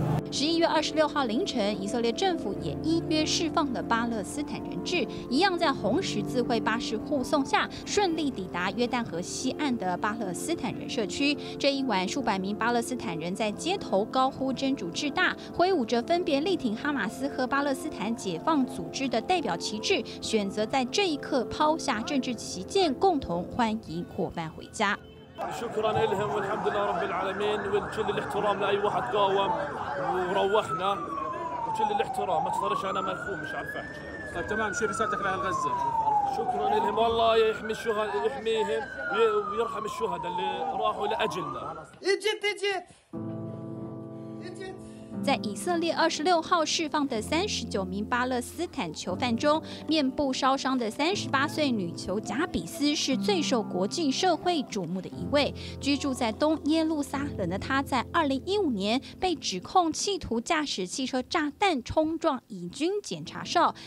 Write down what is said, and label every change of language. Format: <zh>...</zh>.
<zh>11月26号凌晨，以色列政府也依约释放了巴勒斯坦人质，一样在红十字会巴士护送下顺利抵达约旦河西岸的巴勒斯坦人社区。这一晚，数百名巴勒斯坦人在街头高呼真主至大，挥舞着分别力挺哈马斯和巴勒斯坦解放组织的代表旗帜，选择在这一刻抛下政治旗舰，共同欢迎伙伴回家。</zh> <ar>شكرا لهم والحمد لله رب العالمين وكل الاحترام لاي واحد قاوم وروحنا وكل الاحترام اكثرش انا ملخوم مش عارف احكي طيب تمام شو رسالتك لاهل غزه شكرا لهم والله يحمي الشهداء يحميهم ويرحم الشهداء اللي راحوا لاجلنا اجيت اجيت</ar> <zh>在以色列26号释放的39名巴勒斯坦囚犯中，面部烧伤的38岁女囚贾比斯是最受国际社会瞩目的一位。居住在东耶路撒冷的她，在2015年被指控企图驾驶汽车炸弹冲撞以军检查哨。</zh>